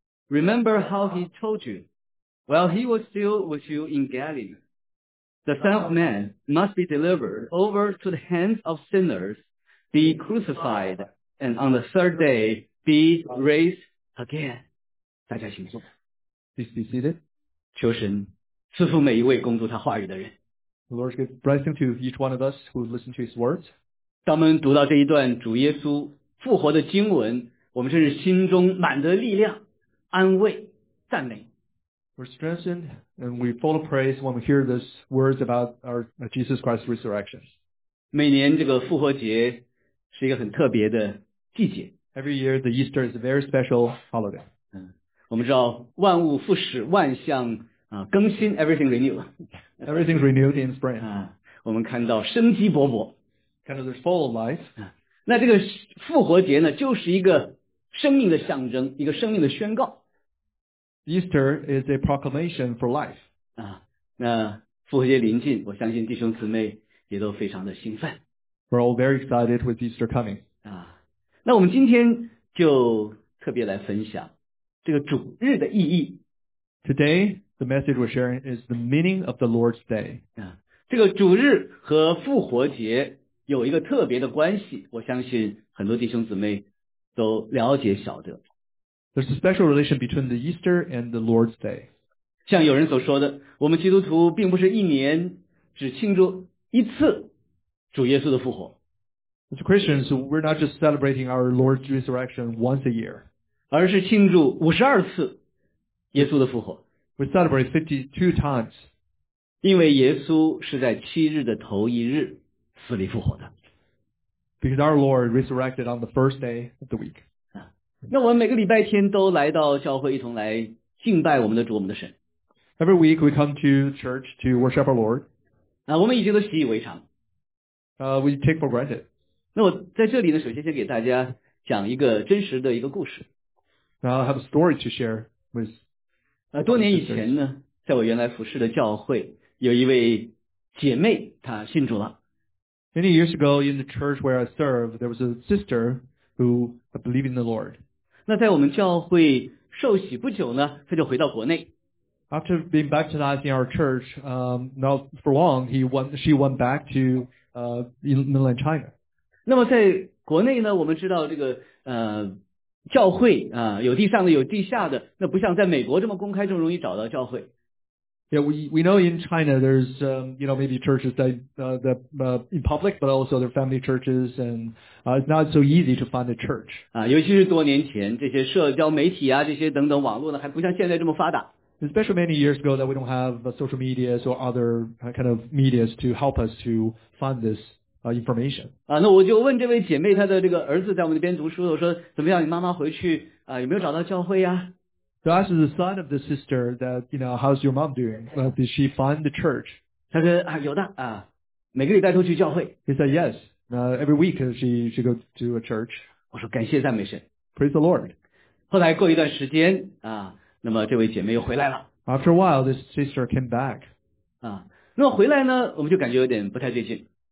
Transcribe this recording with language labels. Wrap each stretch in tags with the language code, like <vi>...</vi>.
<en>Remember how he told you, while he was still with you in Galilee, the Son of Man must be delivered over to the hands of sinners, be crucified, and on the third day be raised again.</en> <zh>大家请坐。</zh> <en>Please be seated.</en> <zh>求神赐福每一位恭读他话语的人。</zh> <en>The Lord give blessing to each one of us who listen to his words.</en> <zh>当我们读到这一段主耶稣复活的经文，我们甚至心中满得力量。安慰赞美</zh> <en>We're strengthened and we full of praise when we hear these words about our Jesus Christ's resurrection.</en> <zh>每年这个复活节是一个很特别的季节。</zh> <en>Every year the Easter is a very special holiday.</en> <zh>我们知道万物复始万象更新</zh> <en>everything renewed. Everything's renewed in spring.</en> <zh>我们看到生机勃勃</zh> <en>Kind of there's full of life.</en> <zh>那这个复活节呢就是一个生命的象征，一个生命的宣告。</zh> <en>Easter is a proclamation for life.</en> <zh>那复活节临近，我相信弟兄姊妹也都非常的兴奋。</zh> <en>We're all very excited with Easter coming.</en> <zh>那我们今天就特别来分享这个主日的意义。</zh> <en>Today, the message we're sharing is the meaning of the Lord's Day.</en> <zh>这个主日和复活节有一个特别的关系，我相信很多弟兄姊妹都了解晓得。</zh> <en>There's a special relation between the Easter and the Lord's Day.</en> <zh>像有人所说的，我们基督徒并不是一年只庆祝一次主耶稣的复活。</zh> <en>As Christians, we're not just celebrating our Lord's resurrection once a year.</en> <zh>而是庆祝52次耶稣的复活。</zh> <en>We celebrate 52 times.</en> <zh>因为耶稣是在七日的头一日死里复活的。</zh> <en>Because our Lord resurrected on the first day of the week.</en> <zh>那我们每个礼拜天都来到教会一同来敬拜我们的主我们的神。</zh> <en>Every week we come to church to worship our Lord.</en> <zh>我们已经都习以为常。</zh> <en>We take for granted.</en> <zh>那我在这里呢首先先给大家讲一个真实的一个故事。</zh> <en>I have a story to share with.</en> <zh>多年以前呢在我原来服侍的教会有一位姐妹她信主了。</zh> <en>Many years ago, in the church where I served, there was a sister who believed in the Lord.</en> <zh>那在我们教会受洗不久呢，他就回到国内。</zh> <en>After being baptized in our church, not for long, she went back to in mainland China.</en> <zh>那么在国内呢，我们知道这个教会啊，有地上的有地下的，那不像在美国这么公开，这么容易找到教会。</zh> <en>Yeah, we know in China there's, you know, maybe churches that, in public, but also their family churches, and, it's not so easy to find a church.</en> <zh>尤其是多年前，这些社交媒体啊，这些等等网络呢，还不像现在这么发达。</zh> <en>especially many years ago that we don't have social media or other kind of media to help us to find this information.</en> <zh>那我就问这位姐妹她的这个儿子在我们那边读书我说怎么样你妈妈回去有没有找到教会啊</zh> <en>So I asked the son of the sister that, you know, how's your mom doing? Did she find the church?</en> <zh>她说啊有的啊每个礼拜都去教会。</zh> <en>He said yes. Every week she go to a church.</en> <zh>我说感谢赞美神。</zh> <en>Praise the Lord.</en> <zh>后来过一段时间啊那么这位姐妹又回来了。</zh> <en>After a while, this sister came back.</en> <zh>啊那么回来呢我们就感觉有点不太对劲。</zh>